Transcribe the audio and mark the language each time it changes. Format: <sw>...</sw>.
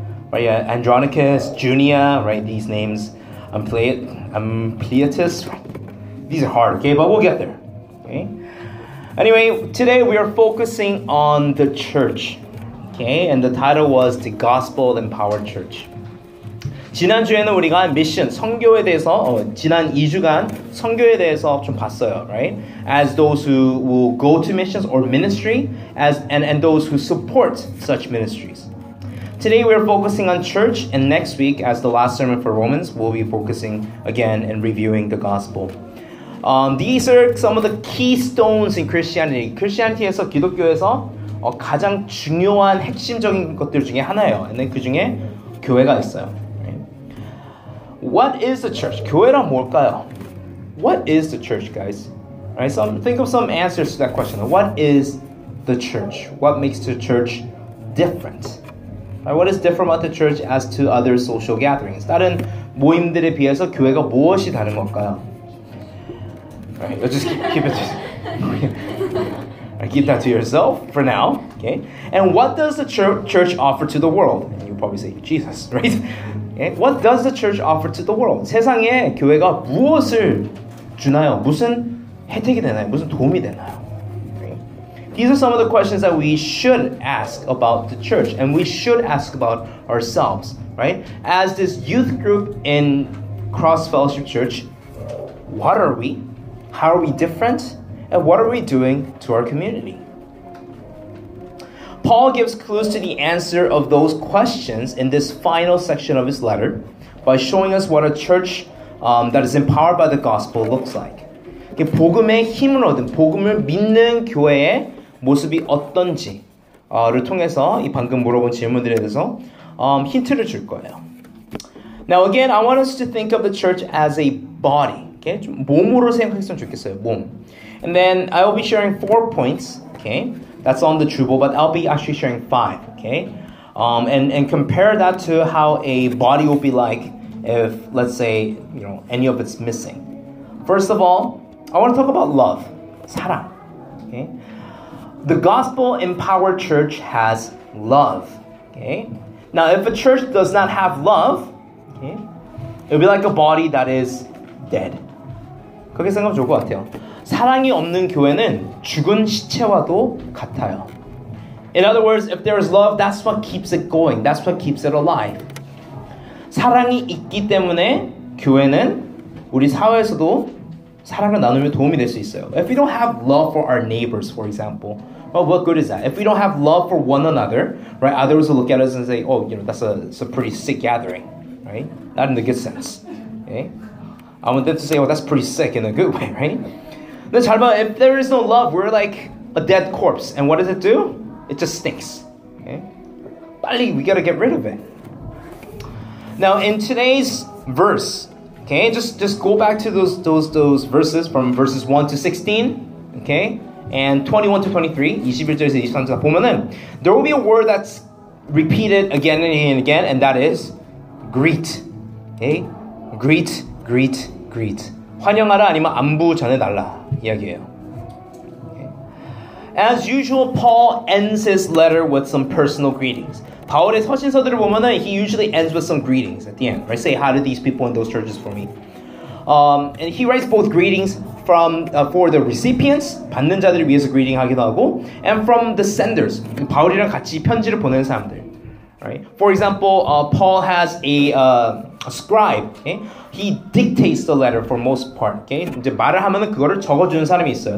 <en>But yeah, Andronicus, Junia, right? These names, Ampliatus. These are hard, okay? But we'll get there, okay? Anyway, today we are focusing on the church, okay? And the title was The Gospel Empowered Church.</en> <ko>지난주에는 우리가 미션, 선교에 대해서 지난 2주간 선교에 대해서 좀 봤어요, right?</ko> <en>As those who will go to missions or ministry and those who support such ministries. Today we're focusing on church, and next week as the last sermon for Romans, we'll be focusing again and reviewing the gospel. These are some of the keystones in Christianity.</en> <ko>Christianity에서 기독교에서 가장 중요한 핵심적인 것들 중에 하나예요. 근데 그 중에 교회가 있어요.</ko> <en>What is the church?</en> <ko>교회란 뭘까요?</ko> <en>What is the church, guys? Right, so think of some answers to that question. What is the church? What makes the church different? Right, what is different about the church as to other social gatherings?</en> <ko>다른 모임들에 비해서 교회가 무엇이 다른 걸까요?</ko> <en>Right, let's just keep it. Keep that to yourself for now. Okay. And what does the church offer to the world? And you'll probably say, Jesus, right? What does the church offer to the world?</en> <ko>세상에 교회가 무엇을 주나요? 무슨 혜택이 되나요? 무슨 도움이 되나요?</ko> <en>These are some of the questions that we should ask about the church, and we should ask about ourselves, right? As this youth group in Cross Fellowship Church, what are we? How are we different? And what are we doing to our community? Paul gives clues to the answer of those questions in this final section of his letter by showing us what a church that is empowered by the gospel looks like.</en> <ko>복음의 힘을 얻은, 복음을 믿는 교회의 모습이 어떤지 를 통해서 이 방금 물어본 질문들에 대해서 힌트를 줄 거예요.</ko> <en>Now again, I want us to think of the church as a body. Okay?</en> <ko>좀 몸으로 생각했으면 좋겠어요, 몸.</ko> <en>And then I will be sharing 4 points, okay? That's on the Drupal, but I'll be actually sharing 5, okay? And compare that to how a body will be like if, let's say, you know, any of it's missing. First of all, I want to talk about love. 사랑, okay? The gospel-empowered church has love, okay? Now, if a church does not have love, okay, it'll be like a body that is dead.</en> <ko>그렇게 생각하면 좋을 것 같아요. 사랑이 없는 교회는 죽은 시체와도 같아요.</ko> <en>In other words, if there is love, that's what keeps it going. That's what keeps it alive.</en> <ko>사랑이 있기 때문에 교회는 우리 사회에서도 사랑을 나누면 도움이 될 수 있어요.</ko> <en>If we don't have love for our neighbors, for example, well, what good is that? If we don't have love for one another, right? Others will look at us and say, oh, you know, that's a pretty sick gathering, right? Not in the good sense, okay? I want them to say, oh, that's pretty sick in a good way, right?</en> <ko>근데 잘 봐,</ko> <en>if there is no love, we're like a dead corpse. And what does it do? It just stinks. Okay? 빨리, we gotta get rid of it. Now, in today's verse, okay, just go back to those verses from verses 1 to 16, okay, and 21 to 23,</en> <ko>21절에서 23절 보면은,</ko> <en>there will be a word that's repeated again and again, and that is greet. Okay? Greet, greet, greet.</en> <ko>환영하라 아니면 안부 전해달라. 이야기예요.</ko> <en>As usual, Paul ends his letter with some personal greetings.</en> <ko>바울의 서신서들을 보면은</ko> <en>he usually ends with some greetings at the end, right? Say hi to these people in those churches for me. And he writes both greetings from for the recipients,</en> <ko>받는 자들을 위해서 greeting 하기도 하고,</ko> <en>and from the senders,</en> <ko>바울이랑 같이 편지를 보낸 사람들,</ko> <en>right? For example, Paul has a scribe, okay? He dictates the letter for most part, okay?</en> <ko>이제 말을 하면은 그거를 적어주는 사람이 있어요.</ko>